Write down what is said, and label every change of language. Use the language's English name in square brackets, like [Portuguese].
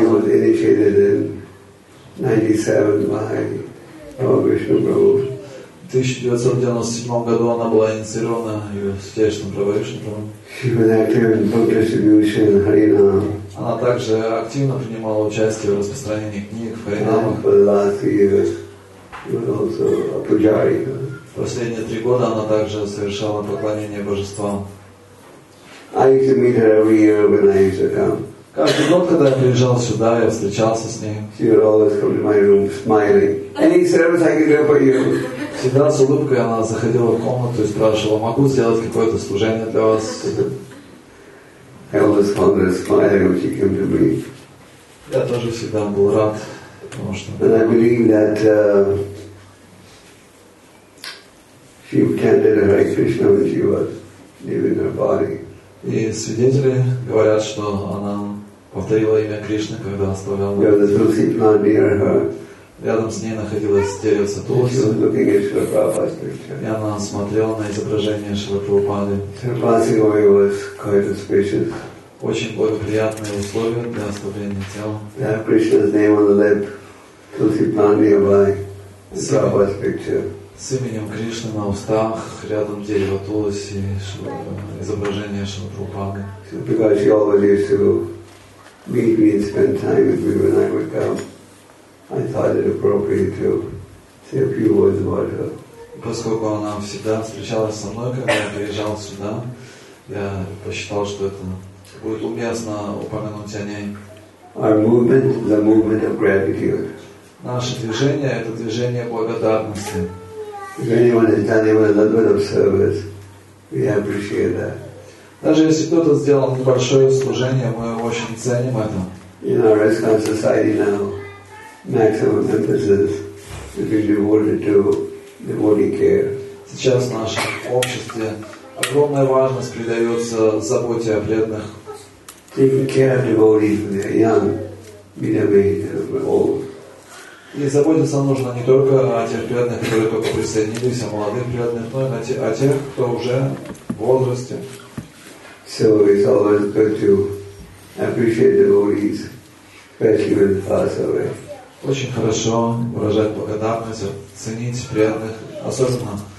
[English] She was initiated in 1997 [Russian] году она была инициирована святейшим Прабху Вишну. [English] She was active in book distribution in Харинам. [Russian] Она также активно принимала участие в распространении книг в Харинамах. [English] For the last few years, also a pujari. [Russian] Последние три года она также совершала поклонение божествам. [English] I used to meet her every year when I used to come. [Russian] Каждый год, когда я приезжал сюда, я встречался с ней. [English] She would always come to my room smiling. Any service I can do for you? [Russian] Всегда с улыбкой она заходила в комнату и спрашивала, могу сделать какое-то служение для вас? [English] I always found her smiling when she came to me. [Russian] Я тоже всегда был рад, потому что. [English] And I believe that she attended Hare Krishna when she was leaving her body. [Russian] И свидетели говорят, что она повторила имя Кришны, когда оставляла. [English] Yeah, there was a Tulsi plant near her. [Russian] Рядом с ней находилась деревца Тулси. [English] She was looking at Шрила Прабхупады's picture. [Russian] И она смотрела на изображение Шрила Прабхупады. [English] Her passing away was quite auspicious. [Russian] Очень благоприятные условия для оставления тела. [English] They have Krishna's name on the lip. Tulsi plant nearby. Prabhupada's picture. [Russian] С именем Кришны на устах, рядом дерево Тулоси, изображение Шрила Прабхупады. [English] Because she always used to meet me and spend time with me when I would come, I thought it appropriate to say a few words about her. [Russian] Поскольку она всегда встречалась со мной, когда я приезжал сюда, я посчитал, что это будет уместно упомянуть о ней. [English] Our movement is the movement of gratitude. [Russian] Наше движение — это движение благодарности. [English] If anyone has done even a little bit of service, we appreciate that. [Russian] Даже если кто-то сделал небольшое служение, мы очень ценим это. [English] In our ISKCON society now, maximum emphasis is being devoted to devotee care. [Russian] Сейчас в нашем обществе огромная важность придается заботе о преданных. [English] Taking care of devotees when they are young, medium age, or old. [Russian] И заботиться нужно не только о тех преданных, которые только присоединились, о молодых преданных, но и о тех, кто уже в возрасте. [English] So it's always good to appreciate devotees, especially when they pass away. [Russian] Очень хорошо выражать благодарность, ценить преданных, особенно